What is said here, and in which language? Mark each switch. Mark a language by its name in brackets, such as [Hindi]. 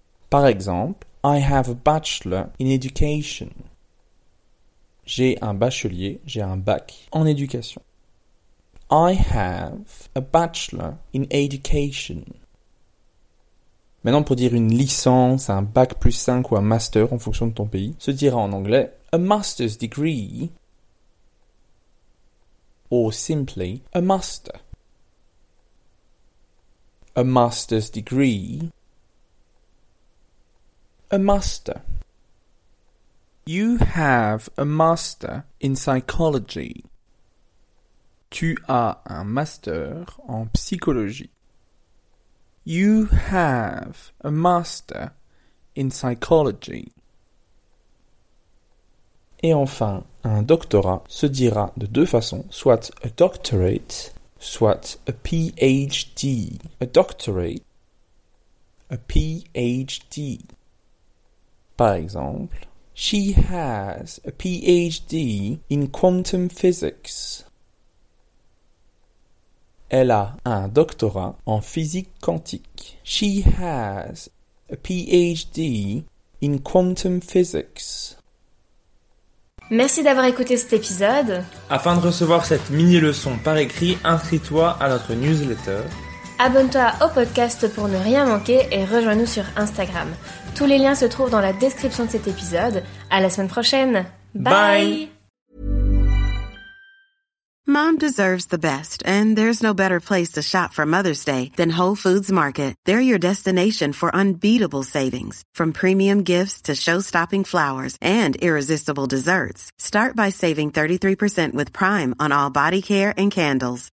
[French] Par exemple, [English] I have a bachelor in education. [French] J'ai un bachelier, j'ai un bac en éducation. [English] I have a bachelor in education. [French] Maintenant, pour dire une licence, un bac plus 5 ou un master en fonction de ton pays, se dira en anglais [English] a master's degree or simply a master. A master's degree. A master. You have a master in psychology. [French] Tu as un master en psychologie. [English] You have a master in psychology. [French] Et enfin, un doctorat se dira de 2 façons, soit [English] a doctorate, [French] soit [English] a PhD. A doctorate, a PhD. [French] Par exemple, [English] She has a PhD in quantum physics. [French] Elle a un doctorat en physique quantique. [English] She has a PhD in quantum physics. [French] Merci d'avoir écouté cet épisode. Afin de recevoir cette mini-leçon par écrit, inscris-toi à notre newsletter. Abonne-toi au podcast pour ne rien manquer et rejoins-nous sur Instagram. Tous les liens se trouvent dans la description de cet épisode. À la semaine prochaine. [English] Bye! Bye. Mom deserves the best, and there's no better place to shop for Mother's Day than Whole Foods Market. They're your destination for unbeatable savings, from premium gifts to show-stopping flowers and irresistible desserts. Start by saving 33% with Prime on all body care and candles.